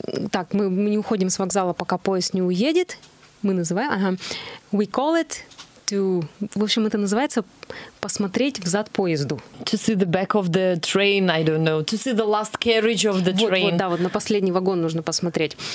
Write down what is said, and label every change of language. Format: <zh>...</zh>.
<ru>Так, мы не уходим с вокзала, пока поезд не уедет. Мы называем...</ru> <en>We call it to...</en> <ru>В общем, это называется посмотреть взад поезду.</ru> <en>To see the back of the train, I don't know. To see the last carriage of the train.</en> <ru>Вот, да, вот на последний вагон нужно посмотреть.</ru>